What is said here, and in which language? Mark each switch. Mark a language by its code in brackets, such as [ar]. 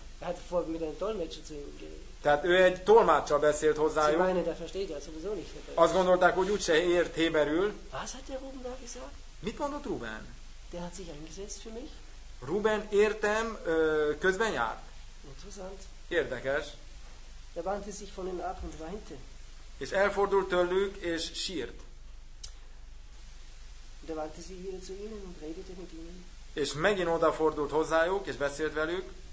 [de] Er hat vor mit einem Dolmetscher zu ihm gehen. [hu] Tehát ő egy tolmáccsal beszélt hozzájuk. [de] Sie meine, der versteht ja sowieso nicht Hebräisch. [hu] Azt gondolták, hogy úgyse ért héberül. [de] Was hat der Ruben da gesagt? [hu] Mit mondott Ruben? [de] Der hat sich eingesetzt für mich. [hu] Ruben értem, közben járt. [de] Interessant. [hu] Érdekes. [de] Er wandte sich von ihm ab und weinte. [hu] És elfordult tőlük, és sírt. [de] Der wandte sich wieder zu ihnen und redete mit ihnen. [hu] És megint odafordult hozzájuk, és beszélt velük.